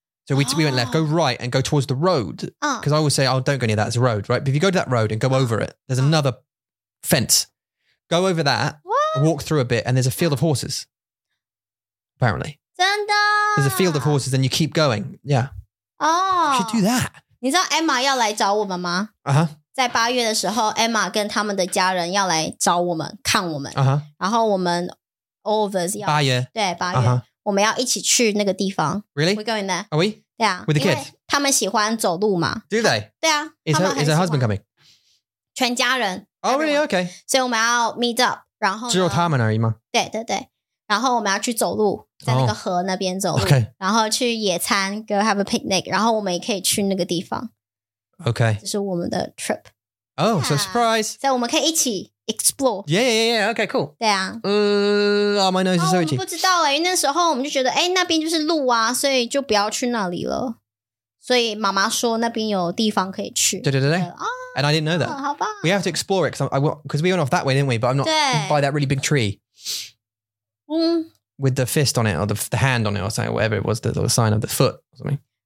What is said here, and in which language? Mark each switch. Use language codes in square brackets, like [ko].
[en] So we went left, go right and go towards the road. Because I always say, oh, don't go near that, it's a road, right? But if you go to that road and go over it, there's another fence. Go over that, walk through a bit, and there's a field of horses, apparently. There's a field of horses and you keep going. Yeah. Oh. You should do that. [zh] 你知道 Emma 要来找我们吗？ Uh-huh. 在八月的时候 ,Emma 跟他们的家人要来找我们看我们。 Uh-huh. 然后我们 [en] all of us [zh] 要。八月。对八月。Uh-huh. 我们要一起去那个地方。 [en] Really? We're going there. Are we? Yeah. With the kids? [zh] 他们喜欢走路嘛。 [en] Do they? [zh] 对啊。 [en] Is her husband coming? [zh] 全家人。 [en] Oh, everyone. Really? Okay. [zh] 所以我们要 [en] meet up, [zh] 然后。只有他们而已吗？对对对。然后我们要去走路在那个河那边走路。 [en] Oh, okay. [zh] 然后去野餐 [en] go have a picnic, [zh] 然后我们也可以去那个地方。 [en] Okay. [zh] 这是我们的 trip. [en] Oh, yeah. So surprise. [zh] 所以我们可以一起。Explore. [en] Yeah, yeah, yeah. Okay, cool. [zh] 对啊。 [en] Oh, my nose is so itchy. [zh] 我们不知道欸，那时候我们就觉得，欸，那边就是路啊，所以就不要去那里了。所以妈妈说那边有地方可以去。对对对对。 [en] And I didn't know that. [zh] 好吧。 [en] We have to explore it, because we went off that way, didn't we? But I'm not by that really big tree. 嗯。 With the fist on it, or the hand on it, or something, whatever it was, the sign of the foot or something.